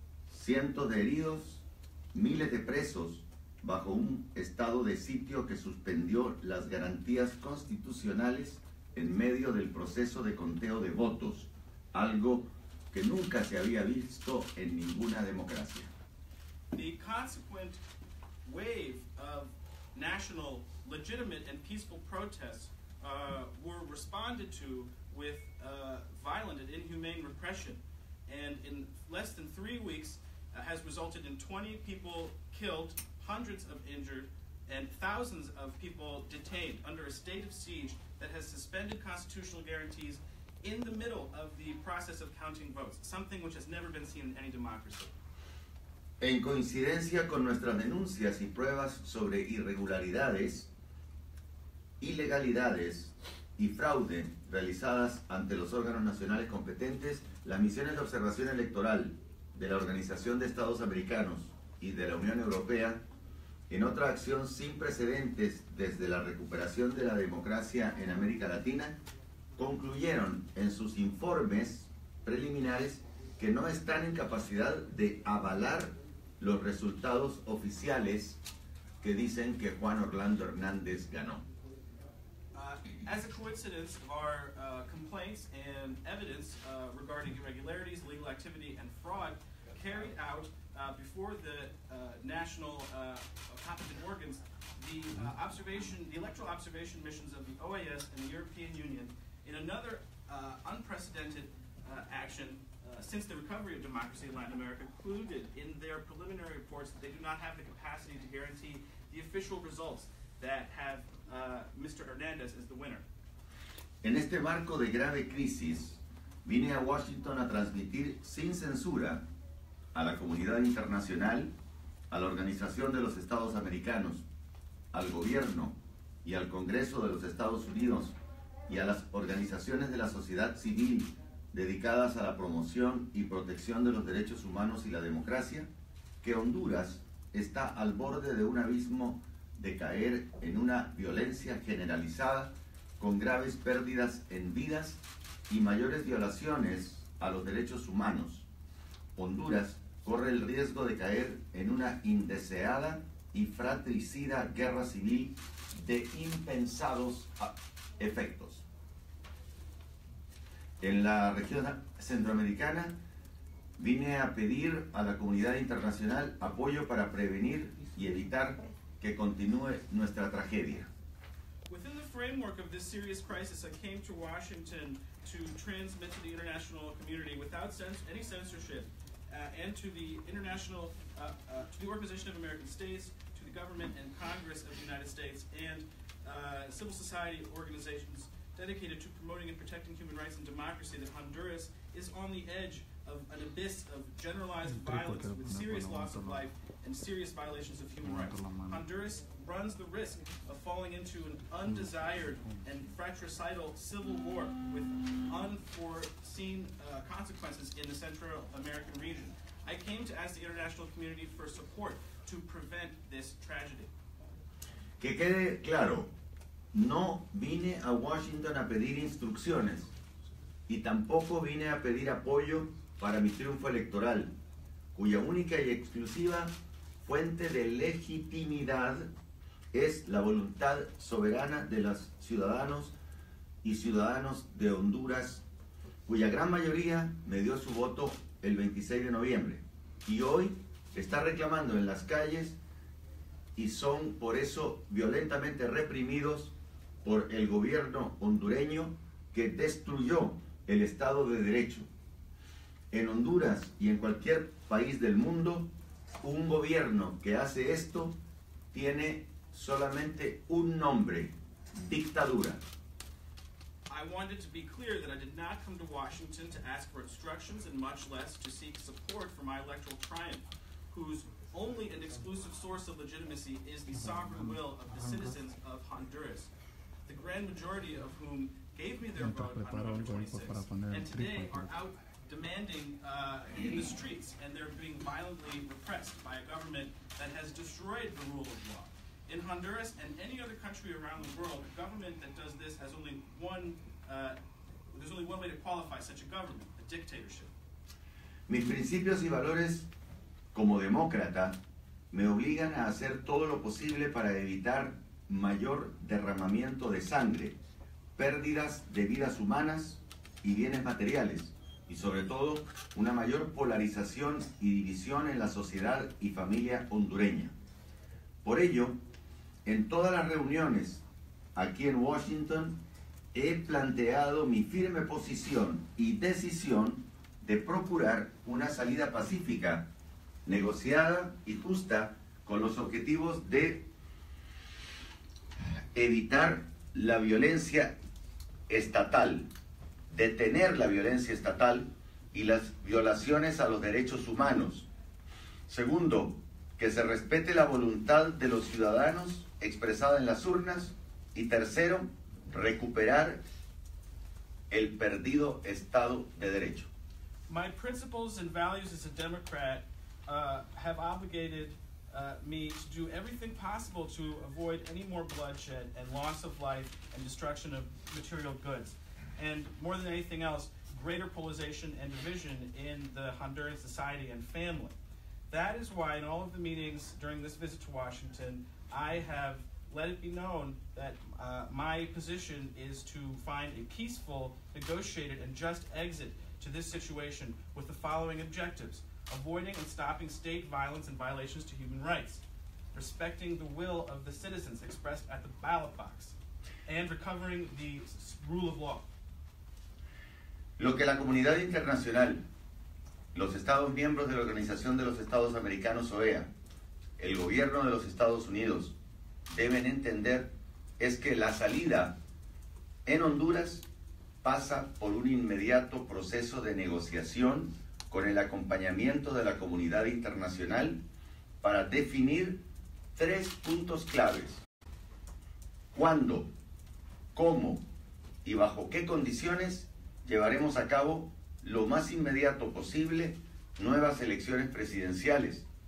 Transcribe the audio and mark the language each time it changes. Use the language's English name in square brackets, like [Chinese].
[Spanish] cientos de heridos, miles de presos, bajo un estado de sitio que suspendió las garantías constitucionales en medio del proceso de conteo de votos, algo que nunca se había visto en ninguna democracia. [English] The consequent wave of national, legitimate and peaceful protests were responded to with violent and inhumane repression, and in less than 3 weeks has resulted in 20 people killed, hundreds of injured, and thousands of people detained under a state of siege that has suspended constitutional guarantees in the middle of the process of counting votes, something which has never been seen in any democracy. [Spanish] En coincidencia con nuestras denuncias y pruebas sobre irregularidades, ilegalidades y fraude realizadas ante los órganos nacionales competentes, las misiones de observación electoral de la Organización de Estados Americanos y de la Unión Europea, en otra acción sin precedentes desde la recuperación de la democracia en América Latina, concluyeron en sus informes preliminares que no están en capacidad de avalar los resultados oficiales que dicen que Juan Orlando Hernández ganó. [English] As a coincidence of our complaints and evidence regarding irregularities, legal activity, and fraud carried out before the national competent organs, the electoral observation missions of the OAS and the European Union, in another unprecedented action since the recovery of democracy in Latin America, concluded in their preliminary reports that they do not have the capacity to guarantee the official results that have Mr. Hernandez as the winner. [Spanish] En este marco de grave crisis, vine a Washington a transmitir sin censura a la comunidad internacional, a la Organización de los Estados Americanos, al gobierno y al Congreso de los Estados Unidos y a las organizaciones de la sociedad civil dedicadas a la promoción y protección de los derechos humanos y la democracia, que Honduras está al borde de un abismo de caer en una violencia generalizada con graves pérdidas en vidas y mayores violaciones a los derechos humanos. Honduras corre el riesgo de caer en una indeseada y fratricida guerra civil de impensados efectos. En la región centroamericana, vine a pedir a la comunidad internacional apoyo para prevenir y evitar que continúe nuestra tragedia. [English] Within the framework of this serious crisis, I came to Washington to transmit to the international community without any censorship and to the international, to the Organization of American States, to the government and Congress of the United States, and civil society organizations dedicated to promoting and protecting human rights and democracy, that Honduras is on the edge of an abyss of generalized violence with serious loss of life and serious violations of human rights. Honduras runs the risk of falling into an undesired and fratricidal civil war with unforeseen consequences in the Central American region. I came to ask the international community for support to prevent this tragedy. [Spanish] Que quede claro, no vine a Washington a pedir instrucciones y tampoco vine a pedir apoyo para mi triunfo electoral, cuya única y exclusiva fuente de legitimidad es la voluntad soberana de los ciudadanos y ciudadanos de Honduras, cuya gran mayoría me dio su voto el 26 de noviembre y hoy está reclamando en las calles y son por eso violentamente reprimidos por el gobierno hondureño que destruyó el Estado de Derecho. En Honduras y en cualquier país del mundo, un gobierno que hace esto tiene solamente un nombre: dictadura. [English] I wanted to be clear that I did not come to Washington to ask for instructions and much less to seek support for my electoral triumph, whose only and exclusive source of legitimacy is the sovereign will of the citizens of Honduras, the grand majority of whom gave me their vote on November 26, and today are out demanding in the streets, and they're being violently repressed by a government that has destroyed the rule of law. In Honduras and any other country around the world, a government that does this has only one, there's only one way to qualify such a government, a dictatorship. [Spanish] Mis principios y valores como demócrata me obligan a hacer todo lo posible para evitar mayor derramamiento de sangre, pérdidas de vidas humanas y bienes materiales, y sobre todo una mayor polarización y división en la sociedad y familia hondureña. Por ello, en todas las reuniones aquí en Washington, he planteado mi firme posición y decisión de procurar una salida pacífica, negociada y justa, con los objetivos de evitar la violencia estatal, detener la violencia estatal y las violaciones a los derechos humanos. Segundo, que se respete la voluntad de los ciudadanos expresada en las urnas. Y tercero, recuperar el perdido Estado de Derecho. [English] My principles and values as a Democrat have obligated me to do everything possible to avoid any more bloodshed and loss of life and destruction of material goods. And more than anything else, greater polarization and division in the Honduran society and family. That is why in all of the meetings during this visit to Washington, I have let it be known that my position is to find a peaceful, negotiated, and just exit to this situation with the following objectives: avoiding and stopping state violence and violations to human rights, respecting the will of the citizens expressed at the ballot box, and recovering the rule of law. [Spanish] Lo que la comunidad internacional, los Estados miembros de la Organización de los Estados Americanos, OEA, el gobierno de los Estados Unidos, deben entender es que la salida en Honduras pasa por un inmediato proceso de negociación con el acompañamiento de la comunidad internacional para definir tres puntos claves: cuándo, cómo y bajo qué condiciones llevaremos a cabo lo más inmediato posible nuevas elecciones presidenciales.